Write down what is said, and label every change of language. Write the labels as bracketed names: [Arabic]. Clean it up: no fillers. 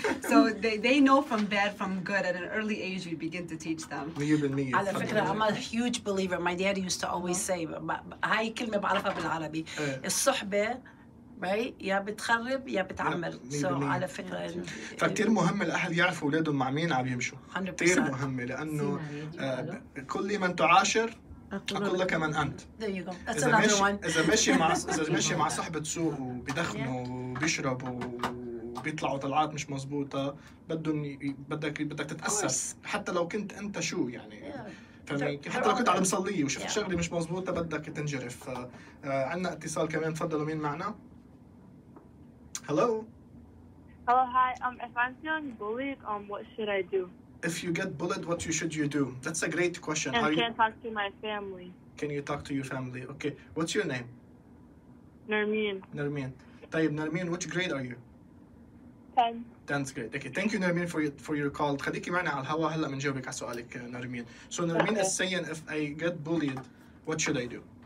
[English] So they know from bad from good at an early age. You begin to teach them. [Arabic] على فكرة [English] I'm a huge believer. My dad used to always say, [Arabic] هاي كلمة بعرفها بالعربي, الصحبة [English] right? [Arabic] يا بتخرب يا بتعمر. سو على فكرة فكتير مهم الأهل يعرفوا أولادهم مع مين عم يمشوا. كتير مهم, لأنه كل من تعاشر أقول لك من أنت. [English] There you go. That's another one. [Arabic] إذا مشي مع صاحبة سوء وبيدخنوا وبيشربوا وبيطلعوا طلعات مش مزبوطة بدك تتأسس حتى لو كنت أنت شو يعني. حتى لو كنت على مصلية وشفت شغلي مش مزبوطة بدك تنجرف. عنا اتصال كمان تفضلوا مين معنا. Hello. [English] Hello, hi. If I'm feeling bullied, what should I do? If you get bullied, what should you do? That's a great question. I can't talk to my family. Can you talk to your family? Okay. What's your name? Nermeen. Nermeen. طيب Nermeen, which grade are you? 10. That's great. Okay. Thank you, Nermeen, for your call. [Arabic] خليكي معنا على الهواء هلا منجاوبك على سؤالك Nermeen. [English] So Nermeen is saying, if I get bullied, what should I do?